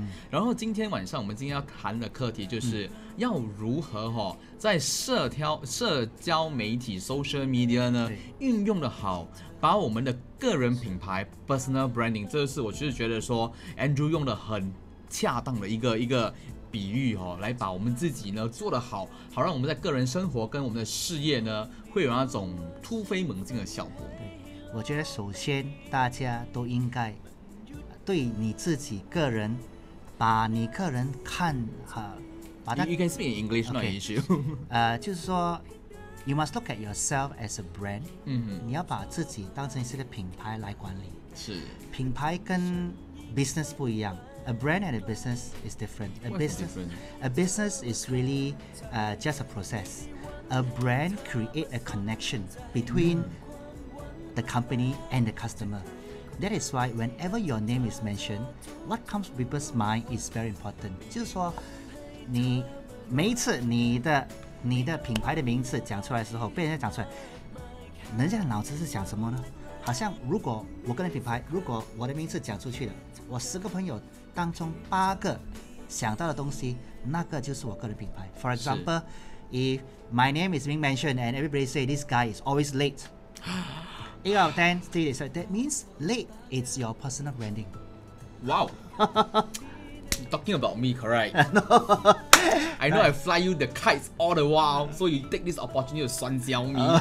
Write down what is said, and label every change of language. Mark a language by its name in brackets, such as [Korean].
[Chinese] 然后今天晚上我们今天要谈的课题就是要如何在社交媒体 social media 呢运用的好，把我们的个人品牌 personal branding， 这是我就是觉得说 Andrew 用的很恰当的一个比喻来把我们自己呢做得好，好让我们在个人生活跟我们的事业呢会有那种突飞猛进的效果。我觉得首先大家都应该对你自己个人，把你个人看把它。 [English] You can speak in English, not English. [Chinese] 就是说 [English] ，you must look at yourself as a brand. [Chinese] 你要把自己当成是个品牌来管理。是。品牌跟 business 不一样 [English] ，a brand and a business is different. A business is really just a process. A brand create a connection between the company and the customer. That is why whenever your name is mentioned, what comes to people's mind is very important. [Chinese] 就是说，你每一次你的品牌的名字讲出来的时候，被人家讲出来，人家脑子是想什么呢？好像如果我个人品牌，如果我的名字讲出去了，我十个朋友当中八个想到的东西，那个就是我个人品牌。 [English] For example， If my name is being mentioned and everybody say this guy is always late, 8 out of 10, still they said, that means late, it's your personal branding. Wow. Talking about me, correct? No. I know, right. I fly you the kites all the while, so you take this opportunity to 酸笑 me.